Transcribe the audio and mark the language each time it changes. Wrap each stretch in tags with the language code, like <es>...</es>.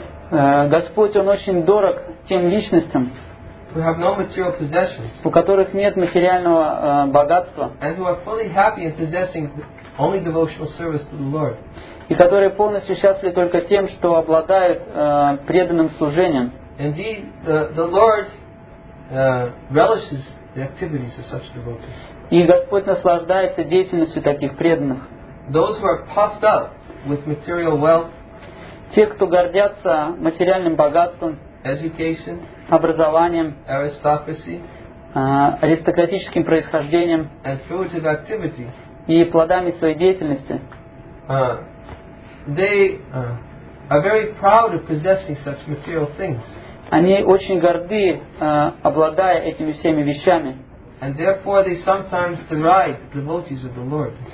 <ru>Господь, он очень дорог тем личностям.</ru> <en>Who have no material possessions,</en> <ru>у которых нет материального богатства,</ru> <en>and who are fully happy in possessing only devotional service to the Lord,</en> <ru>и которые полностью счастливы только тем, что обладают преданным служением.</ru> <en>Indeed, the Lord relishes the activities of such devotees.</en> <ru>И Господь наслаждается деятельностью таких преданных.</ru> <en>Those who are puffed up with material wealth,</en> <ru>те, кто гордятся материальным богатством,</ru> <en>education,</en> <ru>образованием,</ru> <en>aristocracy,</en> <ru>аристократическим происхождением</ru> <en>and fruitive activity,</en> <ru>и плодами своей деятельности.</ru> <en>They are very proud of possessing such material things.</en> <ru>Они очень горды, обладая этими всеми вещами.</ru> <en>And therefore they sometimes deride devotees of the Lord.</en>